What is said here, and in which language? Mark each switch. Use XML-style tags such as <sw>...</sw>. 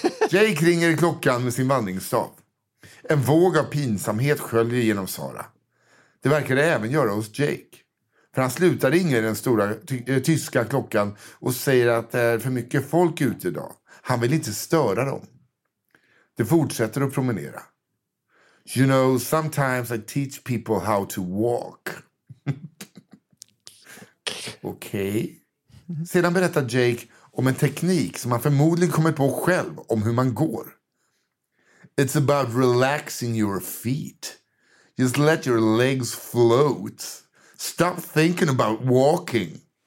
<sv>Jake ringer i klockan med sin vandringsstav. En våg av pinsamhet sköljer genom Sara. Det verkar det även göra hos Jake. För han slutar ringa i den stora tyska klockan och säger att det är för mycket folk ute idag. Han vill inte störa dem. De fortsätter att promenera.</sv> <en>You know, sometimes I teach people how to walk.</en> <sv>Okej.</sv> <en>Okay.</en> <sv>Sedan berättar Jake om en teknik som han förmodligen kommer på själv om hur man går.</sv> <en>It's about relaxing your feet. Just let your legs float. Stop thinking about walking.</en>